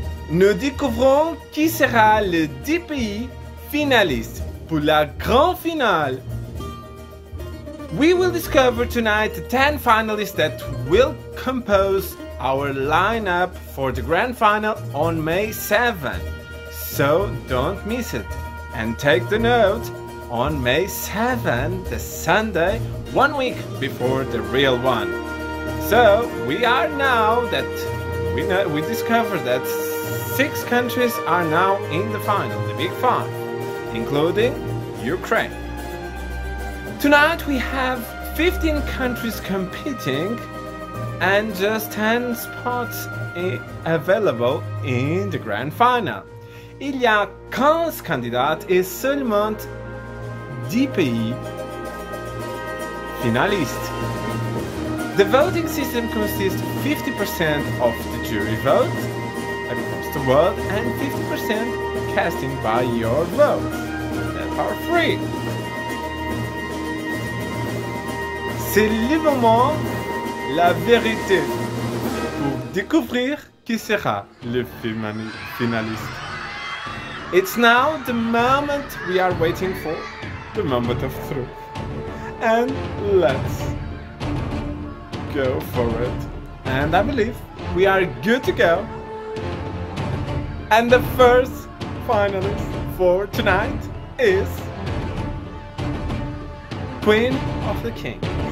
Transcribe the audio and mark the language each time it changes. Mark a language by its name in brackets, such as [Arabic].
[French] Nous découvrons qui sera le 10 pays finalistes pour la grande finale. [English] We will discover tonight the 10 finalists that will compose our lineup for the grand final on May 7. So don't miss it and take the note on May 7, the Sunday, 1 week before the real one. So we are now that we know, we discovered that 6 countries are now in the final, the big 5, including Ukraine. Tonight we have 15 countries competing and just 10 spots available in the grand final. [French] Il y a 15 candidats et seulement 10 pays finalistes. [English] The voting system consists of 50% of the jury vote across the world and 50% casting by your vote that are free. [French] C'est le moment, la vérité, pour découvrir qui sera le finaliste. [English] It's now the moment we are waiting for, the moment of truth. And let's go for it. And I believe we are good to go. And the first finalist for tonight is Queen of the Kings.